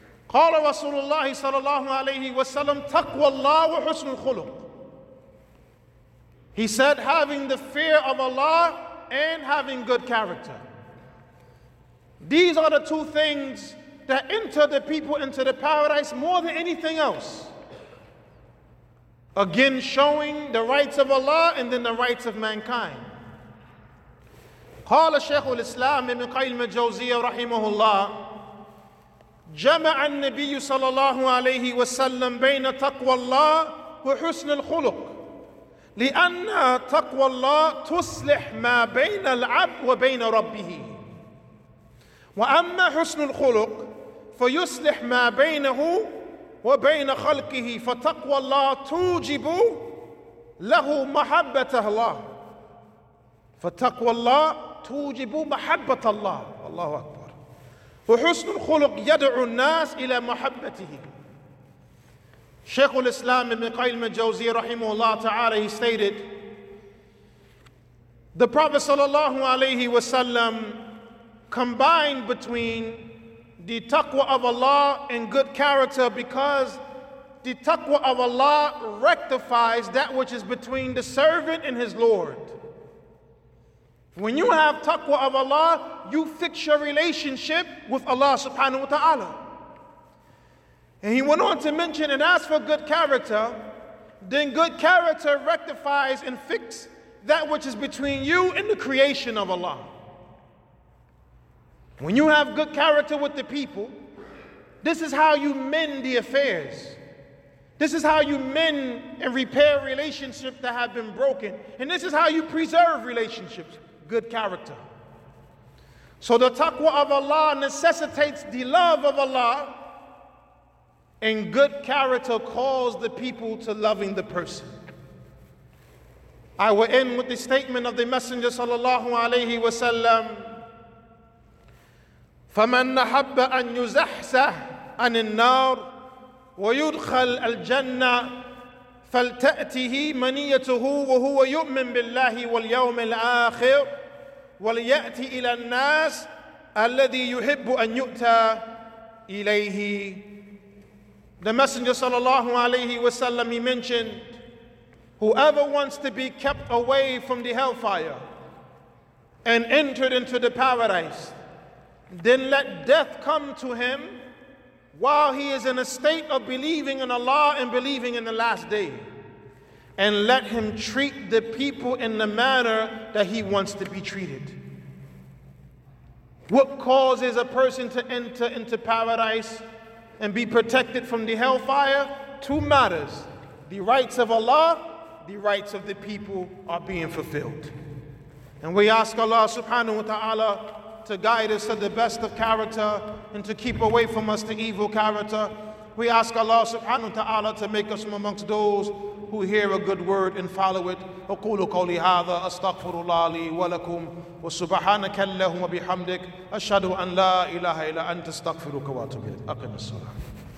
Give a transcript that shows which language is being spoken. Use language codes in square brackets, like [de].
[ar] قال رسول الله صلى الله عليه وسلم تقوى الله وحسن الخلق [en] He said, having the fear of Allah and having good character. These are the two things that enter the people into the paradise more than anything else. Again, showing the rights of Allah and then the rights of mankind. [ar] قال شيخ الإسلام ابن قيم الجوزية رحمه الله جمع النبي صلى الله عليه وسلم بين تقوى الله وحسن الخلق لأن تقوى الله تصلح ما بين العبد وبين ربه وأما حسن الخلق فيصلح ما بينه وَبَيْنَ خَلْقِهِ فَتَقْوَى اللَّهِ تُوجِبُ لَهُ مَحَبَّةَ اللَّهِ فَتَقْوَى اللَّهِ تُوجِبُ مَحَبَّةَ اللَّهِ الله أكبر وحسن الخلق يدعو الناس إلى محبته شيخ الإسلام ابن قيم الجوزي رحمه الله تعالى [en] he stated The Prophet sallallahu alayhi wasallam combined between the taqwa of Allah and good character, because the taqwa of Allah rectifies that which is between the servant and his Lord. When you have taqwa of Allah, you fix your relationship with Allah subhanahu wa ta'ala. And he went on to mention, and ask for good character, then good character rectifies and fix that which is between you and the creation of Allah. When you have good character with the people, this is how you mend the affairs. This is how you mend and repair relationships that have been broken. And this is how you preserve relationships, good character. So the taqwa of Allah necessitates the love of Allah, and good character calls the people to loving the person. I will end with the statement of the Messenger sallallahu alayhi wa sallam, [ar] فَمَنْ نَحَبَّ أَنْ يُزَحْسَهْ أَنِ النَّارِ وَيُدْخَلْ الْجَنَّةِ فَلْتَأْتِهِ مَنِيَّتُهُ وَهُوَ يُؤْمِنْ بِاللَّهِ وَالْيَوْمِ الْآخِرِ وَلْيَأْتِ إِلَى النَّاسِ أَلَّذِي يُحِبُّ أَنْ يُؤْتَى إِلَيْهِ. [en] The Messenger sallallahu alayhi wa sallam, he mentioned, whoever wants to be kept away from the hellfire and entered into the paradise, then let death come to him while he is in a state of believing in Allah and believing in the last day. And let him treat the people in the manner that he wants to be treated. What causes a person to enter into paradise and be protected from the hellfire? Two matters. The rights of Allah, the rights of the people are being fulfilled. And we ask Allah subhanahu wa ta'ala to guide us to the best of character and to keep away from us the evil character. We ask Allah subhanahu wa ta'ala to make us from amongst those who hear a good word and follow it. [ar] أقول قولي هذا أستغفر الله لي ولكم وسبحانك اللهم وبحمدك أشهد أن لا إله إلا أنت أستغفرك وأتوب إليك. أقم الصلاة.